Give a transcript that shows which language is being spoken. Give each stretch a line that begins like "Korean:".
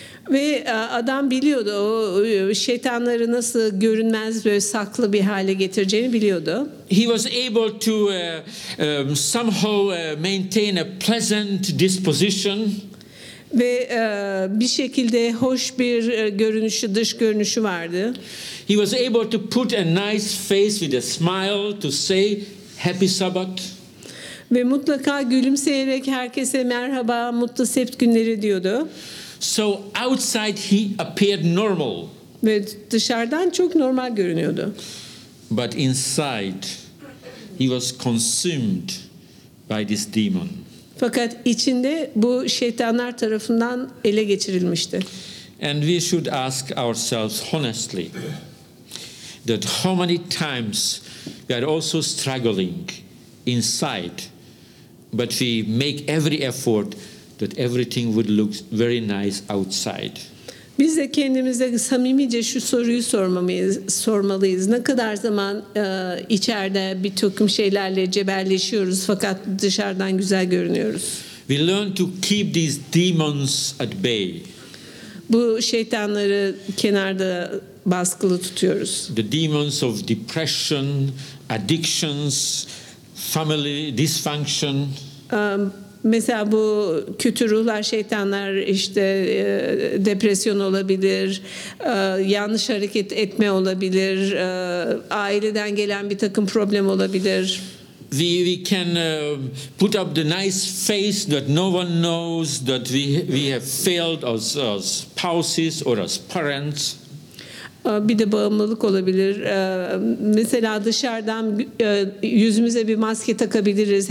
Turkish: Ve adam biliyordu o şeytanları nasıl görünmez böyle saklı bir hale getireceğini biliyordu.
English: He was able to somehow maintain a pleasant disposition.
Turkish: Ve bir şekilde hoş bir görünüşü, dış görünüşü vardı.
English: He was able to put a nice face with a smile to say happy Sabbath.
Turkish: Ve mutlaka gülümseyerek herkese merhaba, mutlu Sept günleri diyordu.
English: So outside he appeared normal.
Turkish: Ve dışarıdan çok normal görünüyordu.
English: But inside he was consumed by this demon.
Turkish: Fakat içinde bu şeytanlar tarafından ele geçirilmişti.
English: And we should ask ourselves honestly that how many times we are also struggling inside, but we make every effort that everything would look very nice outside.
Turkish: Biz de kendimize samimice şu soruyu sormalıyız. Ne kadar zaman içeride bir takım şeylerle cebelleşiyoruz fakat dışarıdan güzel görünüyoruz.
English: We learn to keep these demons at bay.
Turkish: Bu şeytanları kenarda baskılı tutuyoruz.
English: The demons of depression, addictions, family dysfunction.
Turkish: Mesela bu kötü ruhlar, şeytanlar, işte depresyon olabilir, yanlış hareket etme olabilir, aileden gelen bir takım problem olabilir.
English: We can put up the nice face that no one knows that we have failed as spouses or as parents.
Turkish: Bir de bağımlılık olabilir. Mesela dışarıdan yüzümüze bir maske takabiliriz.